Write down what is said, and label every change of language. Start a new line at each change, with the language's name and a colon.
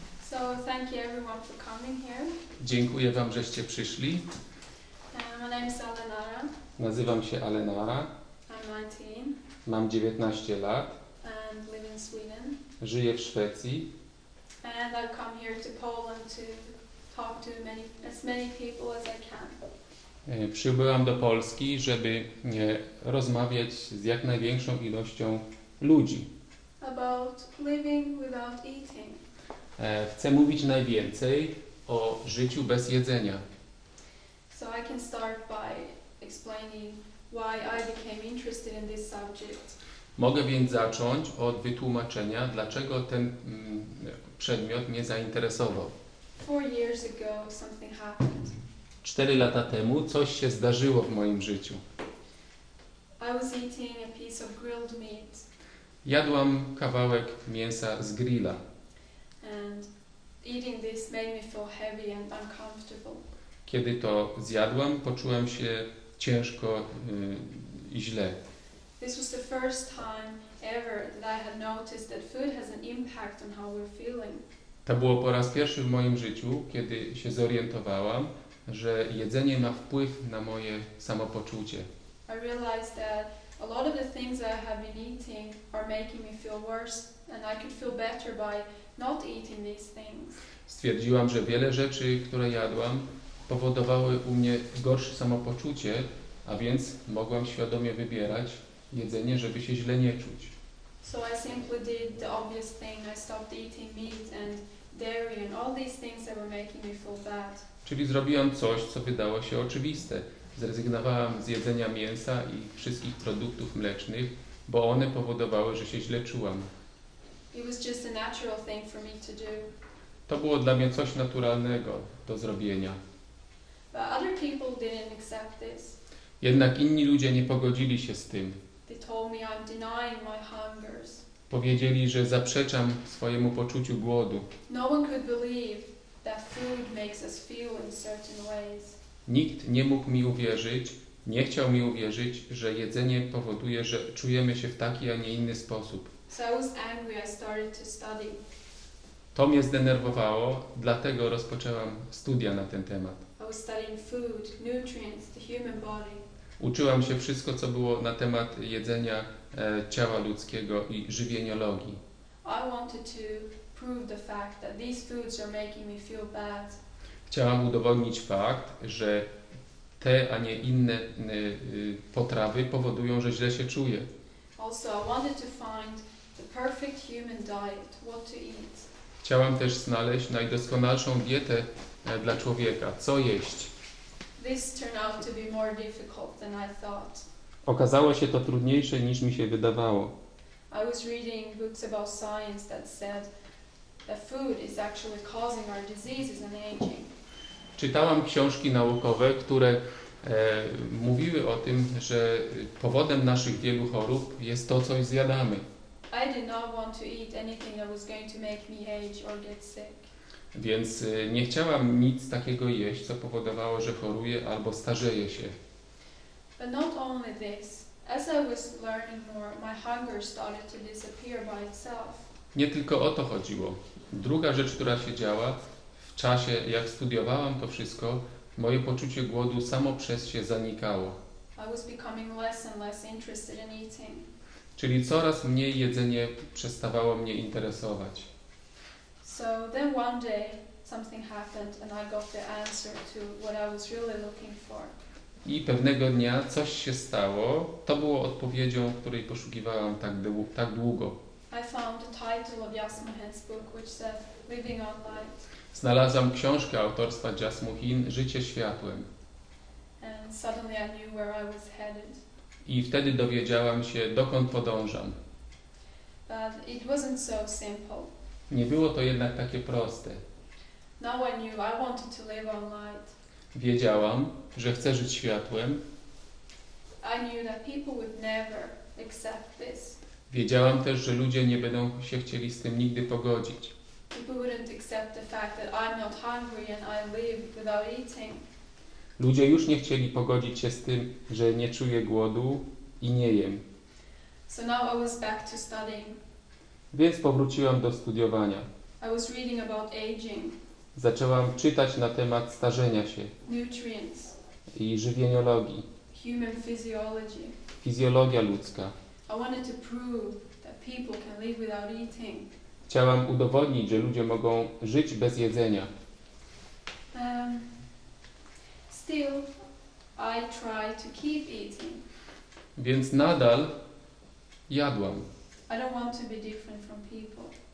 English: So thank you everyone for coming here.
Polish: Dziękuję wam, żeście przyszli.
English: My name is Alenara.
Polish: Nazywam się Alenara.
English: I'm 19.
Polish: Mam 19 lat.
English: And live in Sweden.
Polish: Żyję w Szwecji.
English: And I've come here to Poland to talk to as many people as I can.
Polish: Przybyłam do Polski, żeby rozmawiać z jak największą ilością ludzi.
English: About living without eating.
Polish: Chcę mówić najwięcej o życiu bez jedzenia.
English: So I can start by explaining why I became interested in this subject.
Polish: Mogę więc zacząć od wytłumaczenia, dlaczego ten przedmiot mnie zainteresował.
English: 4 years ago something happened.
Polish: 4 lata temu coś się zdarzyło w moim życiu.
English: I was eating a piece of grilled meat.
Polish: Jadłam kawałek mięsa z grilla.
English: And eating this made me feel heavy and uncomfortable.
Polish: Kiedy to zjadłam, poczułam się ciężko i źle.
English: This was the first time ever that I had noticed that food has an impact on how we're feeling.
Polish: To było po raz pierwszy w moim życiu, kiedy się zorientowałam, że jedzenie ma wpływ na moje samopoczucie.
English: I realized that a lot of the things that I have been eating are making me feel worse and I could feel better by not eating these things.
Polish: Stwierdziłam, że wiele rzeczy, które jadłam, powodowały u mnie gorsze samopoczucie, a więc mogłam świadomie wybierać jedzenie, żeby się źle nie czuć.
English: So I simply did the obvious thing. I stopped eating meat and dairy and all these things that were making me feel bad.
Polish: Czyli zrobiłam coś, co wydało się oczywiste. Zrezygnowałam z jedzenia mięsa i wszystkich produktów mlecznych, bo one powodowały, że się źle czułam.
English: It was just a natural thing for me to do.
Polish: To było dla mnie coś naturalnego do zrobienia.
English: But other people didn't accept this.
Polish: Jednak inni ludzie nie pogodzili się z tym.
English: They told me I'm denying my hungers.
Polish: Powiedzieli, że zaprzeczam swojemu poczuciu głodu.
English: No one could believe that food makes us feel in certain ways.
Polish: Nikt nie mógł mi uwierzyć, nie chciał mi uwierzyć, że jedzenie powoduje, że czujemy się w taki, a nie inny sposób.
English: So I was angry, I started to study.
Polish: To mnie zdenerwowało, dlatego rozpoczęłam studia na ten temat.
English: I was studying food, nutrients, the human body.
Polish: Uczyłam się wszystko, co było na temat jedzenia ciała ludzkiego i żywieniologii.
English: I wanted to prove the fact that these foods are making me feel bad.
Polish: Chciałam udowodnić fakt, że te, a nie inne potrawy powodują, że źle się czuję.
English: Also, I wanted to find the perfect human diet, what to eat.
Polish: Chciałam też znaleźć najdoskonalszą dietę dla człowieka, co jeść.
English: This turned out to be more difficult than I thought.
Polish: Okazało się to trudniejsze niż mi się wydawało.
English: I was reading books about science that said that food is actually causing our diseases and aging.
Polish: Czytałam książki naukowe, które mówiły o tym, że powodem naszych wielu chorób jest to, co zjadamy.
English: I did not want to eat anything that was going to make me age or get sick.
Polish: Więc nie chciałam nic takiego jeść, co powodowało, że choruję albo starzeję się.
English: But not only this. As I was learning more, my hunger started to disappear by itself.
Polish: Nie tylko o to chodziło. Druga rzecz, która się działa w czasie, jak studiowałam to wszystko, moje poczucie głodu samo przez się zanikało.
English: I was becoming less and less interested in eating.
Polish: Czyli coraz mniej jedzenie przestawało mnie interesować.
English: So then one day something happened and I got the answer to what I was really looking for.
Polish: I pewnego dnia coś się stało. To było odpowiedzią, której poszukiwałam tak długo.
English: I found the title of Yasmin's book, which said Living on Light.
Polish: Znalazłam książkę autorstwa Jasmuheen Życie światłem.
English: And suddenly I knew where I was headed.
Polish: I wtedy dowiedziałam się, dokąd podążam.
English: But it wasn't so simple.
Polish: Nie było to jednak takie proste.
English: Now I knew I wanted to live on light.
Polish: Wiedziałam, że chcę żyć światłem.
English: I knew that people would never accept this.
Polish: Wiedziałam też, że ludzie nie będą się chcieli z tym nigdy pogodzić.
English: People wouldn't accept the fact that I'm not hungry and I live without eating.
Polish: Ludzie już nie chcieli pogodzić się z tym, że nie czuję głodu i nie jem.
English: So now I was back to studying.
Polish: Więc powróciłam do studiowania.
English: I was reading about aging.
Polish: Zaczęłam czytać na temat starzenia się.
English: Nutrients.
Polish: I żywieniologii.
English: Human physiology.
Polish: Fizjologia ludzka.
English: I wanted to prove that people can live without eating.
Polish: Chciałam udowodnić, że ludzie mogą żyć bez jedzenia.
English: Still, I try to keep eating.
Polish: Więc nadal jadłam.
English: I don't want to be different from people.